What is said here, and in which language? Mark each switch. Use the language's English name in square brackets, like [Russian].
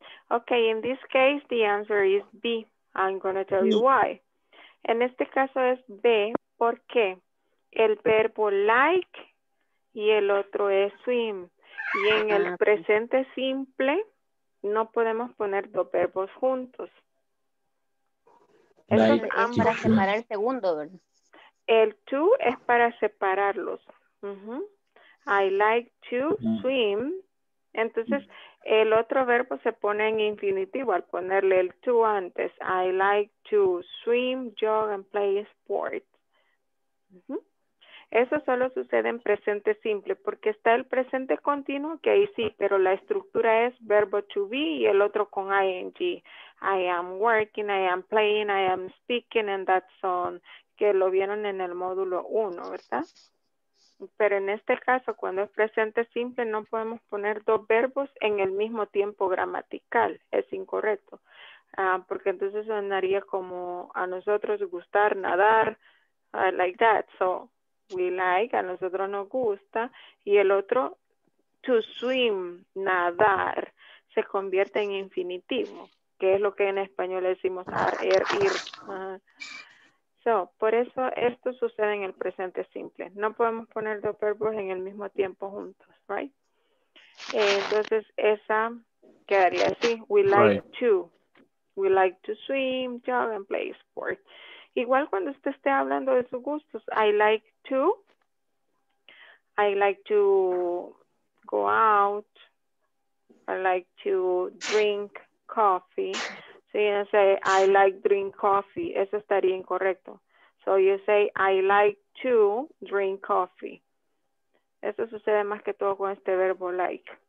[English] Okay, in this case, the answer is B. I'm going to tell you why. [Spanish] En este caso es B, porque el verbo like y el otro es swim. Y en el presente simple, no podemos poner dos verbos juntos. Es para separar el segundo, ¿verdad? El to es para separarlos. [English] I like to swim. [Spanish] Entonces, el otro verbo se pone en infinitivo al ponerle el to antes. [English] I like to swim, jog, and play sports. [Spanish] Eso solo sucede en presente simple, porque está el presente continuo, que ahí sí, pero la estructura es verbo to be y el otro con ing. [English] I am working, I am playing, I am speaking, and that's on. [Spanish] Que lo vieron en el módulo 1, ¿verdad? Pero en este caso, cuando es presente simple, no podemos poner dos verbos en el mismo tiempo gramatical. Es incorrecto. Porque entonces sonaría como a nosotros gustar nadar, [English] like that. So, we like, [Spanish] a nosotros nos gusta. Y el otro, to swim, nadar, se convierte en infinitivo. Que es lo que en español decimos ir. So, por eso esto sucede en el presente simple. No podemos poner dos verbos en el mismo tiempo juntos, [English] right? [Spanish] Entonces, esa quedaría así. [English] We like to. We like to swim, jog, and play sports. [Spanish] Igual cuando usted esté hablando de sus gustos, [English] I like to go out, I like to drink coffee. So you say, I like drink coffee. [Spanish] Eso estaría incorrecto. [English] So you say, I like to drink coffee. [Spanish] Eso sucede más que todo con este verbo like.